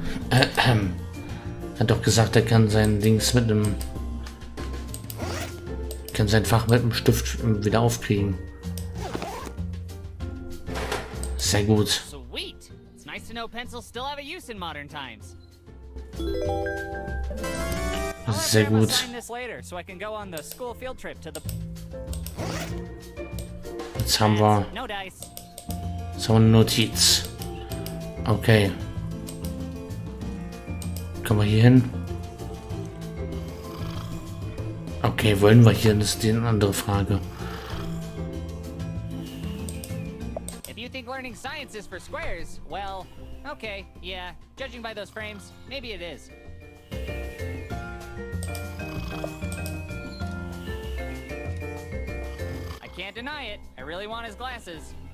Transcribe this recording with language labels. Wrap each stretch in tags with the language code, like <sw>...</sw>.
<de>Hat doch gesagt, er kann sein Dings mit dem. Kann sein Fach mit dem Stift wieder aufkriegen. Sehr gut.</de> <en>Sweet! It's nice to know pencils still have a use in modern times.</en> <de>Sehr gut.</de> <en>I'll sign this later, so I can go on the school field trip to the.</en> <de>Jetzt haben wir eine Notiz. Okay. Kommen wir hier hin? Okay, wollen wir hier? Das ist die andere Frage.</de> <en>If you think learning science is for squares, well, okay, yeah. Judging by those frames, maybe it is. Can't deny it. I really want his glasses.</en>